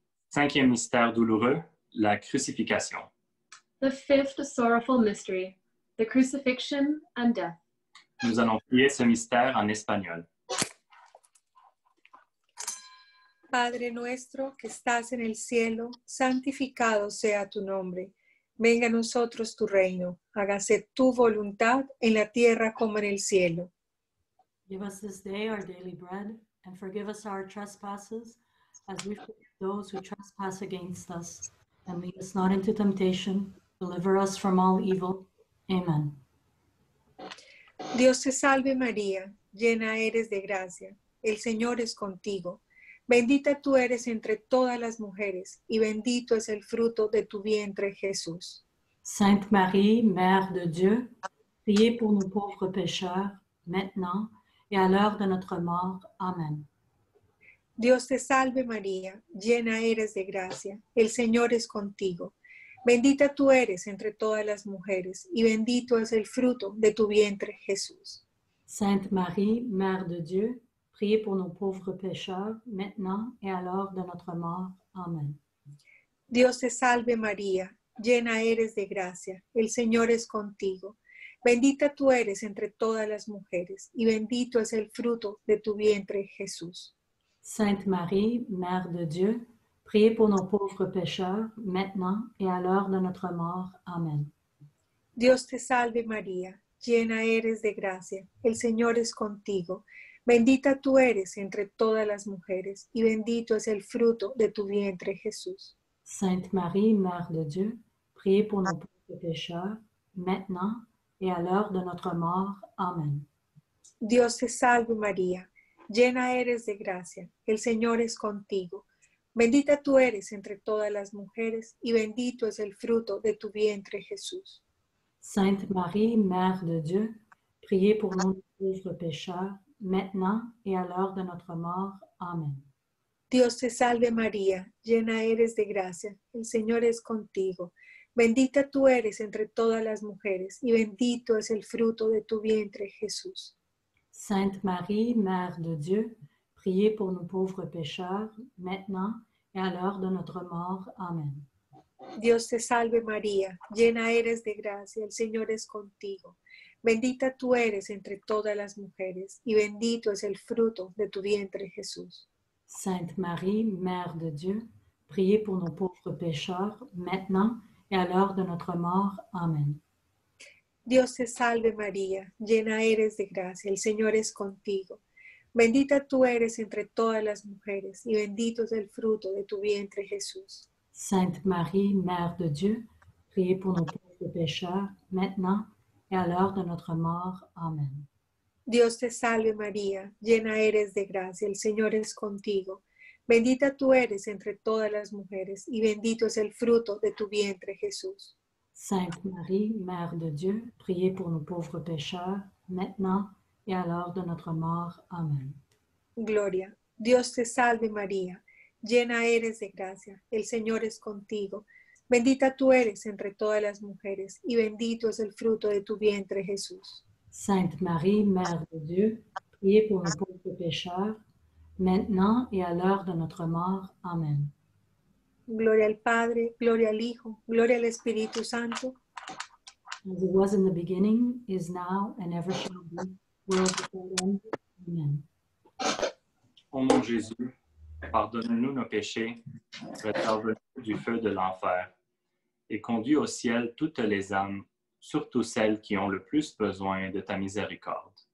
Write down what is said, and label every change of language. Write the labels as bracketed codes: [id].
[fr] Cinquième mystère douloureux, la crucifixion. [en] The fifth sorrowful mystery, the crucifixion and death. [fr] Nous allons prier ce mystère en espagnol. [es] Padre nuestro que estás en el cielo, santificado sea tu nombre. Venga a nosotros tu reino. Hágase tu voluntad en la tierra como en el cielo. [en] Give us this day our daily bread and forgive us our trespasses as we forgive those who trespass against us. And lead us not into temptation. Deliver us from all evil. Amen. [es] Dios te salve, María. Llena eres de gracia. El Señor es contigo. Bendita tú eres entre todas las mujeres. Y bendito es el fruto de tu vientre, Jesús. [fr] Sainte Marie, Mère de Dieu, priez pour nos pauvres pécheurs, maintenant et à l'heure de notre mort. Amen. [es] Dios te salve, María, llena eres de gracia, el Señor es contigo. Bendita tú eres entre todas las mujeres, y bendito es el fruto de tu vientre, Jesús. [fr] Sainte Marie, Mère de Dieu, priez pour nos pauvres pécheurs, maintenant et à l'heure de notre mort. Amen. [es] Dios te salve, María, llena eres de gracia, el Señor es contigo. Bendita tú eres entre todas las mujeres, y bendito es el fruto de tu vientre, Jesús. [fr] Sainte Marie, Mère de Dieu, priez pour nos pauvres pécheurs, maintenant et à l'heure de notre mort. Amen. [es] Dios te salve, María, llena eres de gracia, el Señor es contigo. Bendita tú eres entre todas las mujeres, y bendito es el fruto de tu vientre, Jesús. [fr] Sainte Marie, Mère de Dieu, priez pour nos pauvres pécheurs, maintenant et à l'heure de notre mort. Amen. [es] Dios te salve, María, llena eres de gracia, el Señor es contigo. Bendita tú eres entre todas las mujeres, y bendito es el fruto de tu vientre, Jesús. [fr] Sainte Marie, Mère de Dieu, priez pour nous pauvres pécheurs, maintenant et à l'heure de notre mort. Amen. [es] Dios te salve María, llena eres de gracia, el Señor es contigo. Bendita tú eres entre todas las mujeres, y bendito es el fruto de tu vientre, Jesús. [fr] Sainte Marie, Mère de Dieu, priez pour nous pauvres pécheurs, maintenant et à l'heure de notre mort. Amen. [es] Dios te salve María, llena eres de gracia, el Señor es contigo. Bendita tú eres entre todas las mujeres, y bendito es el fruto de tu vientre, Jesús. [fr] Sainte Marie, Mère de Dieu, priez pour nos pauvres pécheurs, maintenant et à l'heure de notre mort. Amen. [es] Dios te salve María, llena eres de gracia, el Señor es contigo. Bendita tú eres entre todas las mujeres, y bendito es el fruto de tu vientre, Jesús. [fr] Sainte Marie, Mère de Dieu, priez pour nos pauvres pécheurs, maintenant et à l'heure de notre mort. Amen. [es] Dios te salve María, llena eres de gracia, el Señor es contigo. Bendita tú eres entre todas las mujeres, y bendito es el fruto de tu vientre, Jesús. [fr] Sainte Marie, Mère de Dieu, priez pour nos pauvres pécheurs, maintenant et à l'heure de notre mort. Amen. [es] Gloria. Dios te salve María, llena eres de gracia, el Señor es contigo. Bendita tú eres entre todas las mujeres, y bendito es el fruto de tu vientre, Jesús. [fr] Sainte Marie, Mère de Dieu, priez pour nos pauvres pécheurs, maintenant et à l'heure de notre mort. Amen. [es] Gloria al Padre, gloria al Hijo, gloria al Espíritu Santo. [en] As it was in the beginning, is now, and ever shall be, world without end. Amen. [fr] Ô mon Jésus, pardonne-nous nos péchés, préserve-nous du feu de l'enfer, et conduis au ciel toutes les âmes, surtout celles qui ont le plus besoin de ta miséricorde.